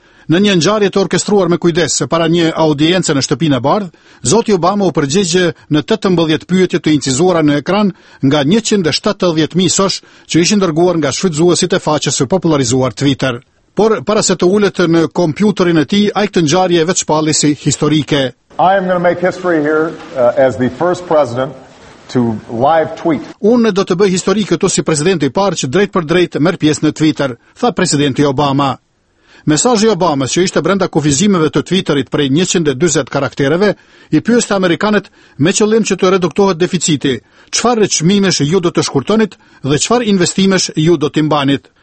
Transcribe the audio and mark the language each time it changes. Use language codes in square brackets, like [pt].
[sq] Në një ngjarje të orkestruar me kujdes para një audiencë në shtëpinë e bardhë, zoti Obama u përgjigje në 18 pyetje të incizuara në ekran nga 170,000 mesazh që ishin dërguar nga shfrytëzuesit e faqes së popullarizuar Twitter. Por para se të ulet në kompjuterin e tij, ai këtë ngjarje e vetë shpalli si historike. [en] I am going to make history here as the first president to live tweet. [sq] Un do të bëj histori këtu si president i parë që drejt për drejt merr pjesë në Twitter, tha presidenti Obama. Mesazhi i Obamës, që ishte brenda kufizimeve të Twitterit prej 140 karaktereve, i pyeste amerikanët me qëllim që të reduktohet deficiti, çfarë çmimesh ju do të shkurtonit dhe çfarë investimesh ju do të mbanit.